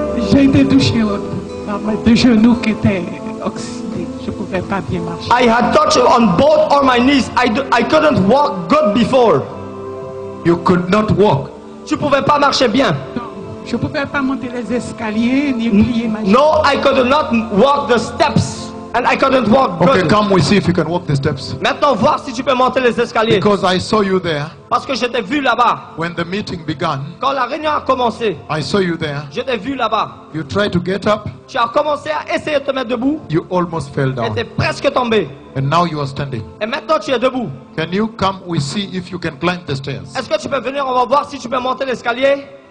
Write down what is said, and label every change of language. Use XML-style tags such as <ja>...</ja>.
<fr>J'ai été touché par mes genoux qui étaient oxydés. Je ne pouvais pas bien marcher.</fr> <en>I had touched on both of my knees. I couldn't walk good before. You could not walk.</en> <fr>Je ne pouvais pas marcher bien. Non, je ne pouvais pas monter les escaliers ni plier ma</fr> <en>jambe. No, I could not walk the steps. And I couldn't walk good. Okay, come, we see if you can walk the steps.</en> <fr>Maintenant, voir si tu peux monter les escaliers.</fr> <en>Because I saw you there.</en> <fr>Parce que je t'ai vu là-bas.</fr> <en>When the meeting began.</en> <fr>Quand la réunion a commencé.</fr> <en>I saw you there.</en> <fr>Je t'ai vu là-bas.</fr> <en>You tried to get up.</en> <fr>Tu as commencé à essayer de te mettre debout.</fr> <en>You almost fell down.</en> <fr>Et t'es presque tombé.</fr> <en>And now you are standing.</en> <fr>Et maintenant tu es debout.</fr> <en>Can you come, we see if you can climb the stairs.</en> <fr>Est-ce que tu peux venir, on va voir si tu peux monter l'escalier.</fr>